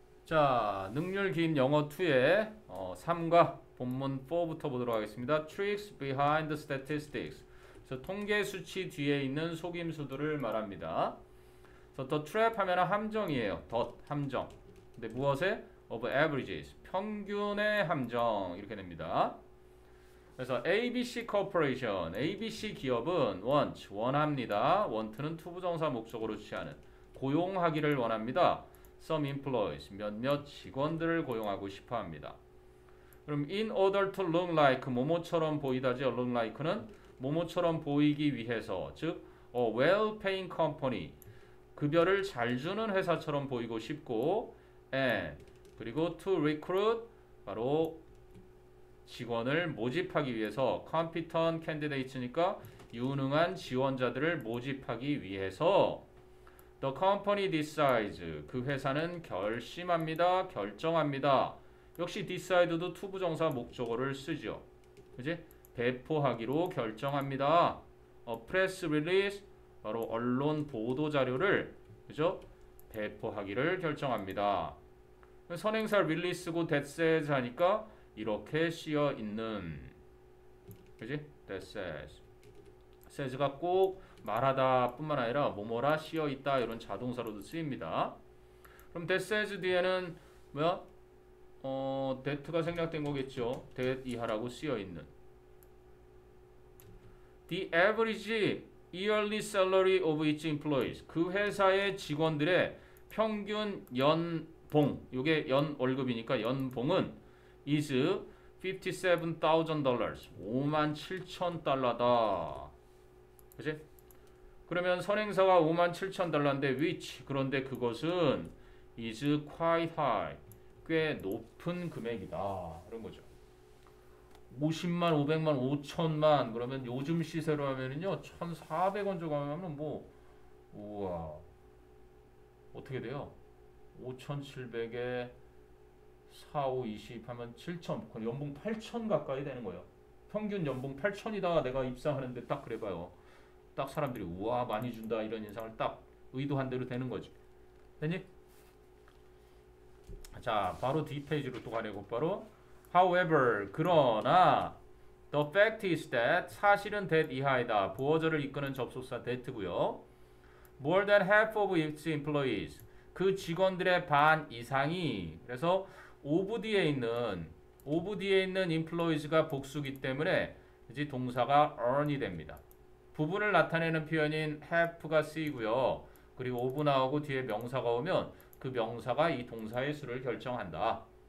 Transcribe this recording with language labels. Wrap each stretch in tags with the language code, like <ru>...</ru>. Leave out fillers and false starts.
<ko>자, 능률 긴 영어 2의 3과 본문 4부터 보도록 하겠습니다.</ko> <en>Tricks behind the statistics.</en> <ko>그래서 통계 수치 뒤에 있는 속임수들을 말합니다. 그래서</ko> <en>the trap</en> <ko>하면은 함정이에요. the 함정. 근데 무엇에?</ko> <en>of averages.</en> <ko>평균의 함정. 이렇게 됩니다. 그래서 ABC Corporation. ABC 기업은 want, 원합니다. want는 투부 정사 목적으로 취하는. 고용하기를 원합니다.</ko> <en>Some employees,</en> <ko>몇몇 직원들을 고용하고 싶어 합니다. 그럼</ko> <en>in order to look like,</en> <ko>뭐뭐처럼 보이다지, look like는 뭐뭐처럼 보이기 위해서, 즉,</ko> <en>a well-paying company,</en> <ko>급여를 잘 주는 회사처럼 보이고 싶고, and, 그리고</ko> <en>to recruit,</en> <ko>바로 직원을 모집하기 위해서,</ko> <en>competent candidates</en> <ko>니까 유능한 지원자들을 모집하기 위해서,</ko> <en>The company decides.</en> <ko>그 회사는 결심합니다. 결정합니다. 역시 decide도 to 부정사 목적어를 쓰죠. 그지? 배포하기로 결정합니다.</ko> <en>A press release.</en> <ko>바로 언론 보도 자료를. 그죠? 배포하기를 결정합니다. 선행사 release고</ko> <en>that says</en> <ko>하니까 이렇게 씌어 있는. 그지?</ko> <en>that says.</en> <ko>says가 꼭 말하다 뿐만 아니라 뭐뭐라 씌어 있다 이런 자동사로도 쓰입니다. 그럼</ko> <en>that says</en> <ko>뒤에는 뭐야? that가 생략된 거겠죠. that 이하라고 씌어 있는.</ko> <en>The average yearly salary of each employees.</en> <ko>그 회사의 직원들의 평균 연봉. 요게 연 월급이니까 연봉은</ko> <en>is $57,000.</en> <ko>57,000달러다. 그치? 그러면 선행사가 57,000달러인데 which 그런데 그것은</ko> <en>is quite high</en> <ko>꽤 높은 금액이다 그런 거죠. 50만, 500만, 5천만 그러면 요즘 시세로 하면은요 1,400원 정도 하면 뭐 우와 어떻게 돼요? 5,700에 4, 5, 20 하면 7천 연봉 8천 가까이 되는 거예요. 평균 연봉 8천이다 내가 입사하는데 딱 그래봐요. 딱 사람들이 우와 많이 준다 이런 인상을 딱 의도한 대로 되는 거지. 되니? 자, 바로 뒷페이지로 또 가네. 곧바로.</ko> <en>However,</en> <ko>그러나</ko> <en>the fact is that</en> <ko>사실은</ko> <en>that</en> <ko>이하이다. 보어절을 이끄는 접속사 that고요.</ko> <en>More than half of its employees.</en> <ko>그 직원들의 반 이상이 그래서 of 뒤에 있는 employees가 복수기 때문에 이제 동사가 earn이 됩니다. 부분을 나타내는 표현인 have가 쓰이고요. 그리고 of 나오고 뒤에 명사가 오면 그 명사가 이 동사의 수를 결정한다.</ko>